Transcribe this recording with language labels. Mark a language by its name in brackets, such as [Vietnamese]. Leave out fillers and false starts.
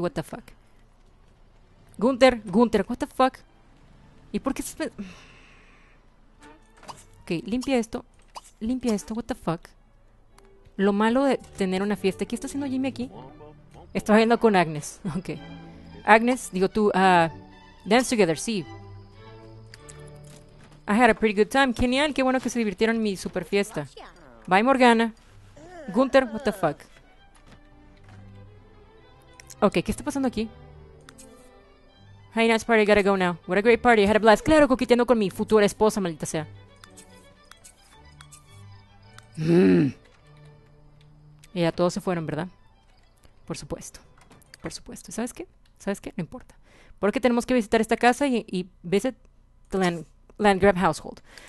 [English] What the fuck? Gunther, what the fuck? [Spanish] ¿Y por qué se... [English] Ok, [Spanish] limpia esto, [English] what the fuck? [Spanish] Lo malo de tener una fiesta. ¿Qué está haciendo Jimmy aquí? Estaba viendo con Agnes. Ok. [English] Agnes, [Spanish] digo tú, [English] dance together, sí. I had a pretty good time. [Spanish] Genial, qué bueno que se divirtieron en mi super fiesta. Bye, Morgana. Gunther, [English] what the fuck? [Spanish] Ok, ¿qué está pasando aquí? [English] Hey, nice party, gotta go now. What a great party, I had a blast. [Spanish] Claro, coqueteando con mi futura esposa, maldita sea. Y ya todos se fueron, ¿verdad? Por supuesto. ¿Sabes qué? No importa. Porque tenemos que visitar esta casa y [English] visit the Landgrab household.